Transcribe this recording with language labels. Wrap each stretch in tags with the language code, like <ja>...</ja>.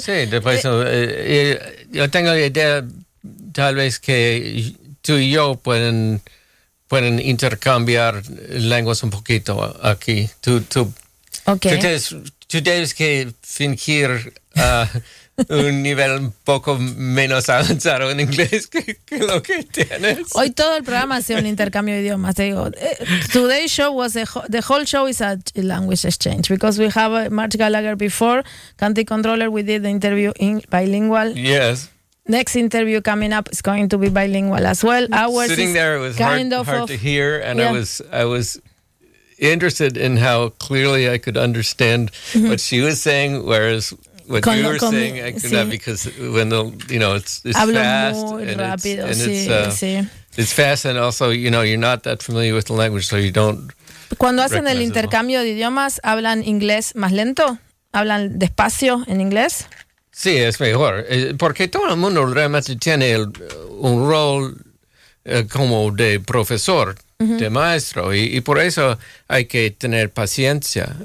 <es>Sí, después yo tengo la idea, tal vez que tú y yo pueden intercambiar lenguas un poquito aquí. Tú</es> <en>okay.</en> <es>Tú tienes que fingir un nivel un poco menos avanzado en inglés que lo que tienes. Hoy todo el programa ha sido un intercambio de idiomas. Te digo,</es> <en>today's show was the whole show is a language exchange because we have Marge Gallagher before, Country Controller, we did the interview in bilingual. Yes. Next interview coming up is going to be bilingual as well. Ours sitting is there, it was kind of hard to hear, and yeah. I was interested in how clearly I could understand what she was saying, whereas what you were saying, I could not, because when the, you know, it's fast and it's fast, and also, you know, you're not that familiar with the language, so you don't.</en> <es>Cuando hacen el intercambio de idiomas, hablan inglés más lento, hablan despacio en inglés. Sí, es mejor, porque todo el mundo realmente tiene un rol como de profesor. De maestro, y por eso hay que tener paciencia.</es>